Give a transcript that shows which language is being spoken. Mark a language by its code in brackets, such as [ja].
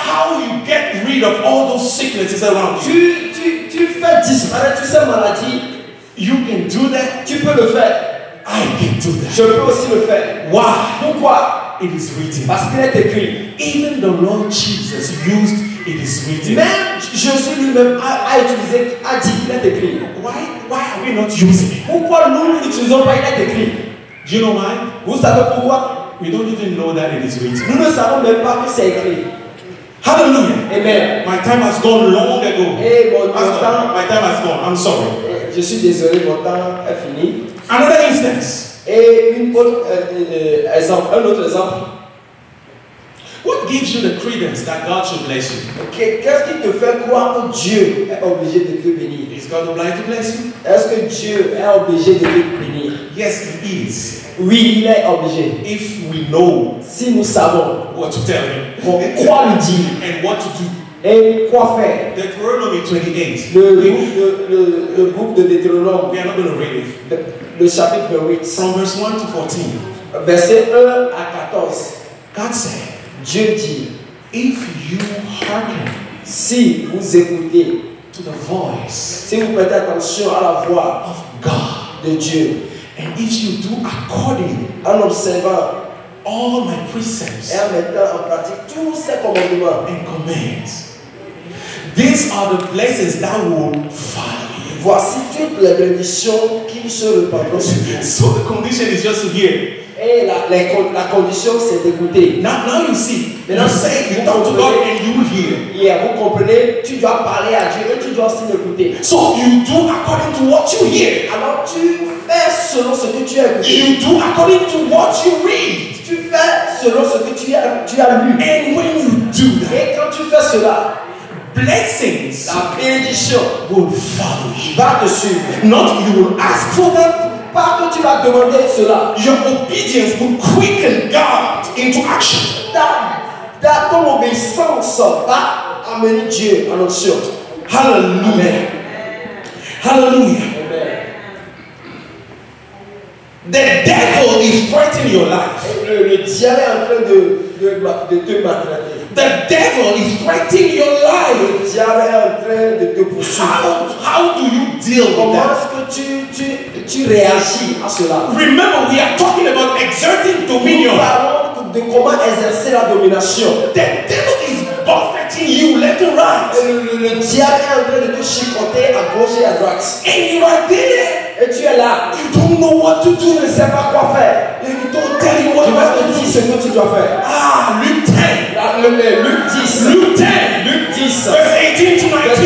[en] how you get rid of all those sicknesses around you. [fr] Tu fais disparaître toutes ces maladies. [en] You can do that. [fr] Tu peux le faire. [en] I can do that. [fr] Je peux aussi le faire. [en] Why? [fr] Pourquoi? [en] It is written. [fr] Parce qu'il est écrit. [en] Even the Lord Jesus used it is written. [fr] Même Jésus lui-même a utilisé, a dit, il est écrit. [en] Why are we not using it? [fr] Pourquoi nous n'utilisons pas, il est écrit? [en] Do you know why? [fr] Vous savez pourquoi? [en] We don't even know that it is written. [fr] Nous ne savons même pas que c'est écrit. [en] Hallelujah. Amen. My time has gone long ago. [fr] Hey, bon [en] has gone. My time has gone. I'm sorry. [fr] Je suis désolé, mon temps est fini. [en] Another instance. [fr] Et un autre exemple. [en] What gives you the credence that God should bless you? [fr] Okay, qu'est-ce qui te fait croire que Dieu est obligé de te bénir? [en] Is God obliged to bless you? [fr] Est-ce que Dieu est obligé de te bénir? [en] Yes, He is. [fr] Oui, il est obligé. [en] If we know, [fr] si nous savons, [en] what to tell Him, [fr] quoi lui dire, [en] and what to do. [fr] Et quoi faire? Deutéronome 28. Le [en] book [fr] de Deutéronome. [en] We are not going to read it. [fr] Le chapitre 8. [en] From verse 1 to 14. [fr] Verset 1 à 14. [en] God said. [fr] Dieu dit. [en] If you hearken. [fr] Si vous écoutez. [en] To the voice. [fr] Si vous prêtez attention à la voix. [en] Of God. [fr] De Dieu. [en] And if you do according. [fr] En observant. [en] All my precepts [fr] et en mettant en pratique tous ces commandements [en] and commands. These are the blessings that will follow you. [fr] Voici toutes les bénédictions qui se répandront sur vous. [en] So the condition is just here. [fr] Et la condition c'est d'écouter. [en] Now you see. [fr] Maintenant, [en] you say you talk to God and you hear. [fr] Yeah, vous comprenez, tu dois parler à Dieu et tu dois aussi l'écouter. [en] So you do according to what you hear. [fr] Alors tu fais selon ce que tu as écouté. [en] You do according to what you read. [fr] Tu fais selon ce que tu as lu. [en] And when you do that, [fr] et quand tu fais cela, [en] blessings, [fr] la bénédiction, [en] will follow you. [fr] Va te suivre. [en] Not you will ask for them. [fr] Pas que tu vas demander cela. [en] Your obedience will quicken God into action. That [fr] ton obéissance va amener Dieu en action. [en] Hallelujah. Amen. Hallelujah. The devil is threatening your life. [fr] Le diable est en train de te maltraiter. [en] The devil is threatening your life. [fr] Le diable est en train de te poursuivre. [en] How do you deal with that? [fr] Comment est-ce que tu réagis à cela? [en] Remember, we are talking about exerting dominion. [fr] Nous parlons de comment exercer la domination. [en] The devil is buffeting you left and right. [fr] Le diable est en train de te chicoter à gauche et à droite. [en] And you are doing it. [fr] Et tu es là. [en] You don't know what to do. [fr] Tu ne sais pas quoi faire. [en] You don't tell you what [fr] tu vas te dire ce que tu dois faire. Ah, Luc 10. Luc 10. Luc 10. Luc 10. [en] Verse 18 to 19.